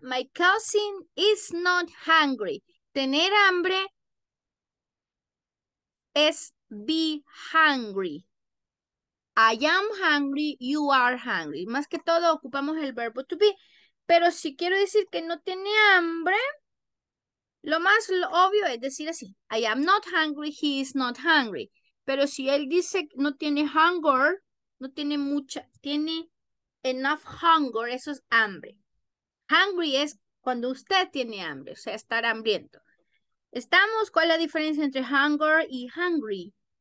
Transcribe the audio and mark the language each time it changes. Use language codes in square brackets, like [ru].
[en] My cousin is not hungry. [es] Tener hambre es [en] be hungry. I am hungry, you are hungry. [es] Más que todo ocupamos el verbo to be. Pero si quiero decir que no tiene hambre, lo más obvio es decir así. [en] I am not hungry, he is not hungry. [es] Pero si él dice que no tiene hunger, no tiene mucha, tiene enough hunger, eso es hambre. Hungry es cuando usted tiene hambre, o sea, estar hambriento. ¿Estamos? ¿Cuál es la diferencia entre hunger y hungry?